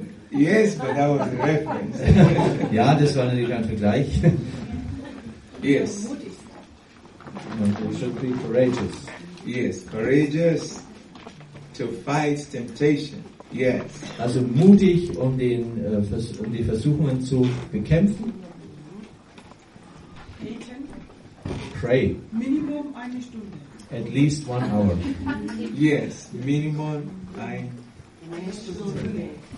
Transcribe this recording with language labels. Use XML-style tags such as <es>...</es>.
<en>Yes, but that was a reference.</en> <de>Ja, das war natürlich ein Vergleich.</de> <en>Yes. And we should be courageous. Yes, courageous to fight temptation. Yes.</en> <de>Also mutig, um die Versuchungen zu bekämpfen. Beten.</de> <en>Pray.</en> <de>Minimum eine Stunde.</de> <en>At least 1 hour.</en> <de>Yes, minimum eine Stunde.</de>